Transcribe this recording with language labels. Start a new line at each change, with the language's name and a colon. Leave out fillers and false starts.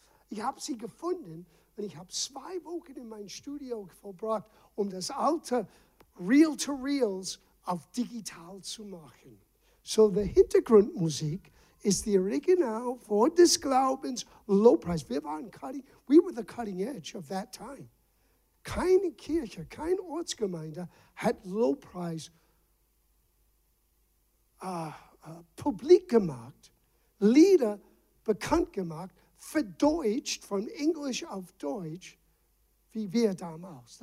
German: Ich habe sie gefunden und ich habe 2 Wochen in mein Studio verbracht, um das alte Reel-to-Reels auf digital zu machen. So die Hintergrundmusik ist die Original Wort des Glaubens, Low Price. Wir waren
English: cutting, we were the cutting edge of that time.
German: Keine Kirche, keine Ortsgemeinde hat Low Price publik gemacht, Lieder bekannt gemacht, verdeutscht von Englisch auf Deutsch, wie wir damals.